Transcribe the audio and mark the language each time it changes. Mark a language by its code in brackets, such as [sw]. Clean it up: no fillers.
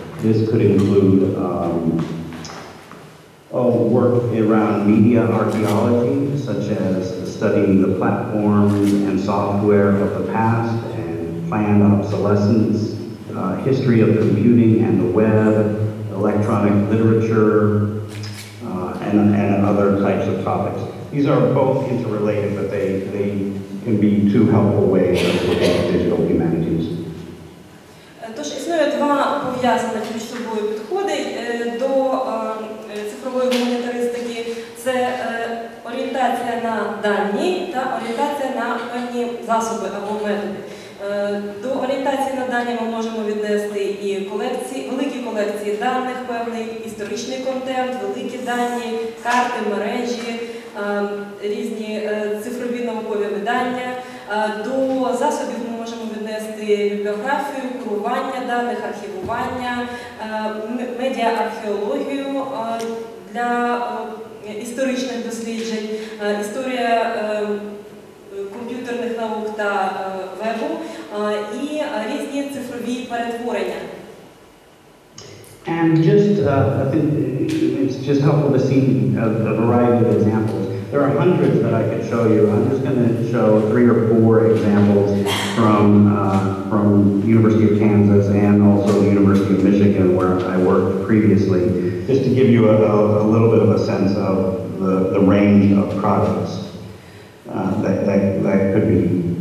[en] This could include work around media archaeology, such as studying the platforms and software of the past and planned obsolescence, history of computing and the web, electronic literature, and other types of topics. These are both interrelated, but they can be two helpful ways of looking at digital humanities. [uk] Тож існує два пов'язані між собою підходи до цифрової гуманітаристики. Це орієнтація на дані та орієнтація на певні засоби або методи. До орієнтації на дані ми можемо віднести і колекції, великі колекції даних, певний історичний контент, великі дані, карти, мережі, різні цифрові наукові видання. До засобів ми можемо віднести бібліографію, курування даних, архівування, медіа-археологію для історичних досліджень, історія комп'ютерних наук та вебу і різні цифрові перетворення. [en] And just, I think it's just helpful to see a variety of examples. There are hundreds that I could show you. I'm just going to show three or four examples from University of Kansas and also the University of Michigan, where I worked previously, just to give you a little bit of a sense of the range of products that could be